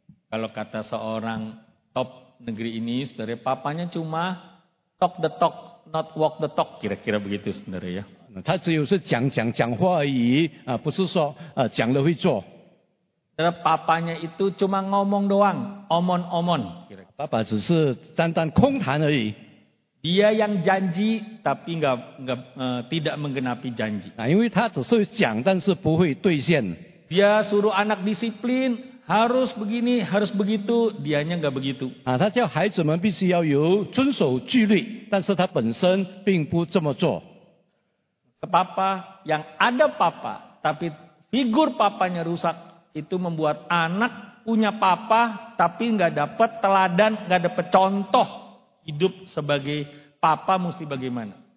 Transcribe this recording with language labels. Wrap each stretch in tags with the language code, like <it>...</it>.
<id>Kalau kata seorang top negeri ini, sebenarnya papanya cuma</id> <en>talk the talk, not walk the talk.</en> <id>Kira-kira begitu sebenarnya ya.</id> <zh>他只有是讲话而已，不是说讲了会做。</zh> <id>Saudara, papanya itu cuma ngomong doang, omon-omon.</id> <zh>Papa 只是单单 空谈而已.</zh> <id>Dia yang janji tapi tidak menggenapi janji.</id> <zh>Nah, 因为他只是讲, 但是不会兑现.</zh> <id>Dia suruh anak disiplin, harus begini, harus begitu, dianya enggak begitu.</id> <zh>Nah, 他叫孩子们必须要有遵守纪律, 但是他本身并不这么做.</zh> <id>Papa yang ada papa, tapi figur papanya rusak, itu membuat anak punya papa tapi enggak dapat teladan, enggak dapat contoh hidup sebagai papa mesti bagaimana?</id>